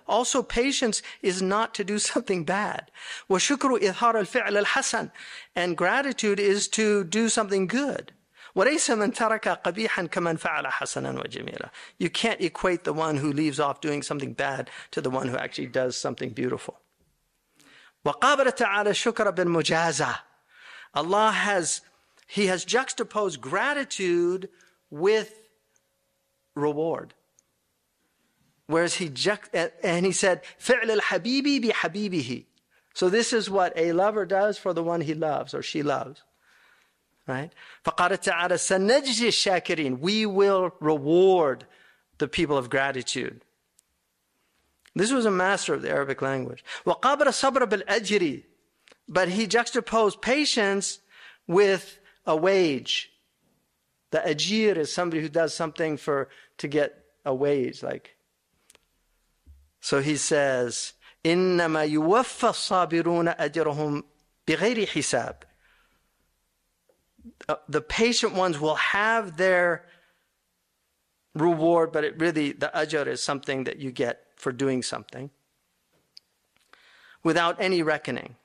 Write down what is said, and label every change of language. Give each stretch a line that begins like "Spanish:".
English: Also patience is not to do something bad.
Arabic: وَشُكْرُ إِظْهَارَ الْفِعْلَ الْحَسَنِ.
English: And gratitude is to do something good.
Arabic: وَلَيْسَ مَنْ تَرَكَ قَبِيحًا كَمَنْ فَعَلَ حَسَنًا وَجَمِيلًا.
English: You can't equate the one who leaves off doing something bad to the one who actually does something beautiful.
Arabic: وقابل تعالى شكر بالمجازة.
English: Allah has, he has juxtaposed gratitude with reward. Whereas he and he said,
Arabic: فعل الحبيبي بحبيبه.
English: So this is what a lover does for the one he loves or she loves. Right?
Arabic: فقال تعالى سنجزي الشاكرين.
English: We will reward the people of gratitude. This was a master of the Arabic language.
Arabic: وقابل صبر بالأجر.
English: But he juxtaposed patience with a wage. The ajir is somebody who does something for to get a wage. Like, so he says,
Arabic: إِنَّمَا يُوَفَّى الصَّابِرُونَ أَجْرَهُمْ بِغَيْرِ حِسَابٍ.
English: The patient ones will have their reward, but it really, the ajr is something that you get for doing something without any reckoning.